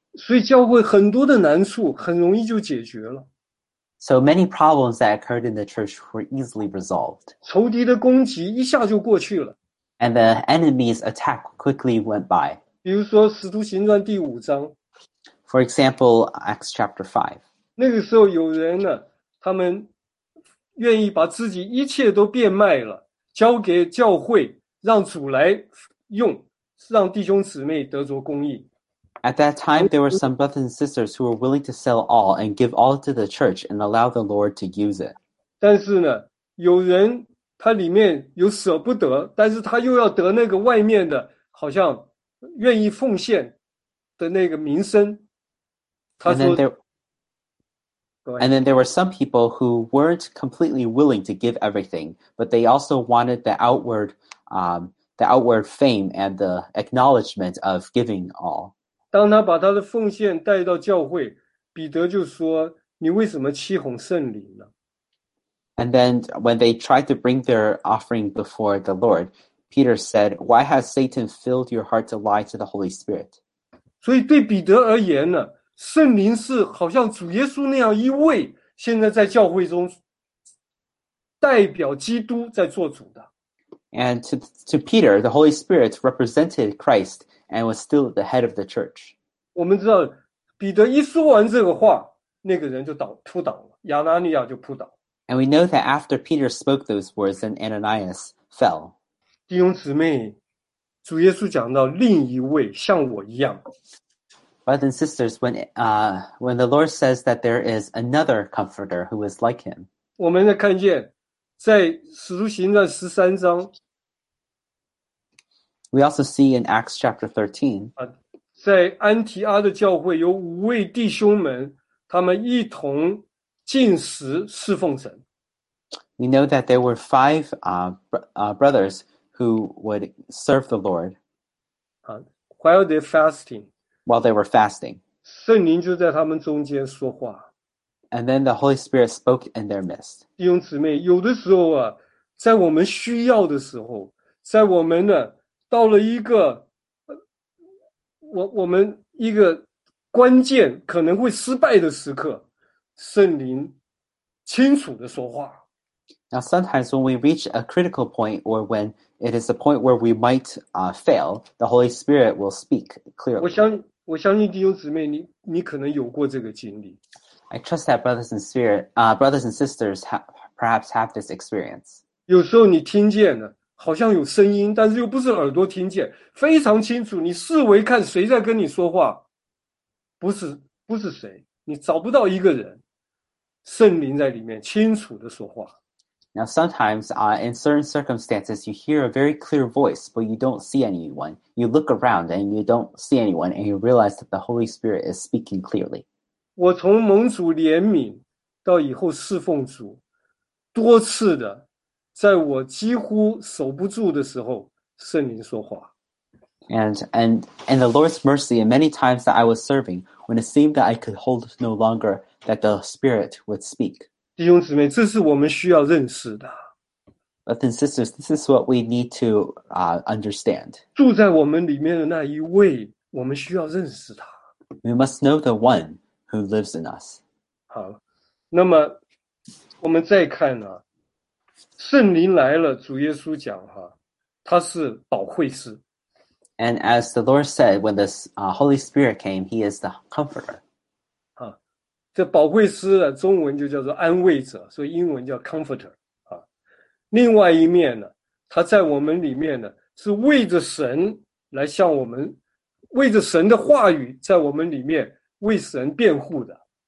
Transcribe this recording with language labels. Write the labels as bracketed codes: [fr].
[zh] 所以教会很多的难处很容易就解决了。 [en] So many problems that occurred in the church were easily resolved. [zh] 仇敌的攻击一下就过去了。 [en] And the enemy's attack quickly went by. [zh] 比如说《使徒行传》第五章。 [en] For example, Acts chapter 5. [zh] 那个时候有人呢，他们愿意把自己一切都变卖了，交给教会，让主来用，让弟兄姊妹得着供应。 [en] At that time, there were some brothers and sisters who were willing to sell all and give all to the church and allow the Lord to use it. [zh] 但是呢，有人他里面有舍不得，但是他又要得那个外面的，好像愿意奉献的那个名声。 [en] And then there were some people who weren't completely willing to give everything, but they also wanted the outward fame and the acknowledgement of giving all. [zh] 当他把他的奉献带到教会，彼得就说：“你为什么欺哄圣灵呢？” [en] And then when they tried to bring their offering before the Lord, Peter said, "Why has Satan filled your heart to lie to the Holy Spirit?" [zh] 所以对彼得而言呢，圣灵是好像主耶稣那样一位，现在在教会中代表基督在做主的。 [en] And to Peter, the Holy Spirit represented Christ. And was still the head of the church. [zh] 我们知道，彼得一说完这个话，那个人就扑倒了，亚拿尼亚就扑倒。 [en] And we know that after Peter spoke those words, then Ananias fell. [zh] 弟兄姊妹，主耶稣讲到另一位像我一样。 [en] Brothers and sisters, when the Lord says that there is another comforter who is like him. [zh] 我们看见，在使徒行传十三章。 [en] We also see in Acts chapter 13, [zh] 在安提阿的教会有五位弟兄们，他们一同禁食侍奉神。 [en] We know that there were five brothers who would serve the Lord while they were fasting. While they were fasting. [zh] 圣灵就在他们中间说话。 [en] And then the Holy Spirit spoke in their midst. [zh] 弟兄姊妹，有的时候啊，在我们需要的时候，在我们呢，到了一个，我们一个关键可能会失败的时刻，圣灵清楚地说话。 [en] Now, sometimes when we reach a critical point or when it is a point where we might fail, the Holy Spirit will speak clearly. [zh] 我相信弟兄姊妹你可能有过这个经历。 [en] I trust that brothers and sisters perhaps have this experience. [zh] 有时候你听见了好像有声音但是又不是耳朵听见非常清楚你四围看谁在跟你说话不是谁你找不到一个人圣灵在里面清楚地说话。 [en] Now sometimes, in certain circumstances, you hear a very clear voice, but you don't see anyone. You look around and you don't see anyone, and you realize that the Holy Spirit is speaking clearly. [zh] 我从蒙主怜悯到以后侍奉主，多次的，在我几乎守不住的时候，圣灵说话。 [en] And the Lord's mercy, and many times that I was serving, when it seemed that I could hold no longer, that the Spirit would speak. [zh] 弟兄姊妹，这是我们需要认识的。 [en] But then, sisters, this is what we need to understand. [zh] 住在我们里面的那一位，我们需要认识他。 [en] We must know the one who lives in us. [zh] 好，那么我们再看呢、啊，圣灵来了，主耶稣讲哈、啊，他是保惠师。 [en] And as the Lord said, when the Holy Spirit came, He is the Comforter. [zh] 这保惠师的中文就叫做安慰者，所以英文叫 comforter、啊、另外一面呢，他在我们里面呢，是为着神来向我们，为着神的话语在我们里面为神辩护的。